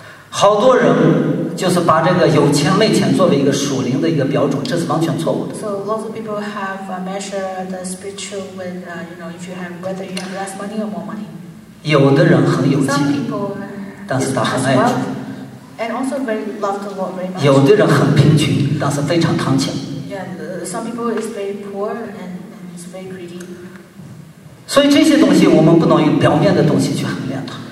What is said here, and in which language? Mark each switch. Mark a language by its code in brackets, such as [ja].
[zh] 好多人就是把这个有钱没钱作为一个属灵的一个标准，这是完全错误的。 [en] So lots of people have measured the spiritual with, you know, if you have whether you have less money or more money. [zh] 有的人很有钱， [en] Some people, [zh] 但是他很爱主。 [en] And also very loved the Lord very much. [zh] 有的人很贫穷，但是非常贪钱。 [en] Yeah, some people is very poor and is very greedy. [zh] 所以这些东西我们不能用表面的东西去衡量它。